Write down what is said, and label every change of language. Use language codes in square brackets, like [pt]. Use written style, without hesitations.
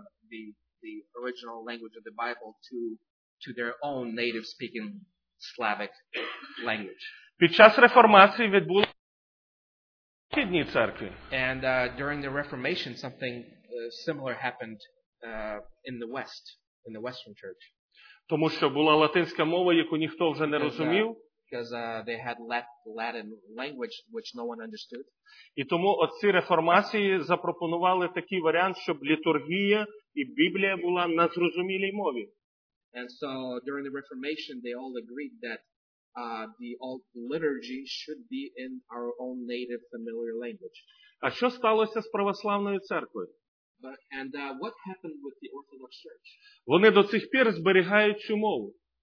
[en] They translated the original language of the Bible to their own native speaking Slavic language. [uk] Під час реформації відбулося в східній церкві. [en] And during the Reformation something similar happened in the western church. [uk] Тому що була латинська мова, яку ніхто вже не розумів. [en] Because they had Latin language which no one understood. [uk] І тому отці реформації запропонували такий варіант, щоб літургія і Біблія була на зрозумілій мові. [en] And so during the Reformation they all agreed that the liturgy should be in our own native familiar language. [uk] А що сталося з православною церквою? [en] And what happened with the Orthodox Church? [uk] Вони до цих пір зберігають цю мову.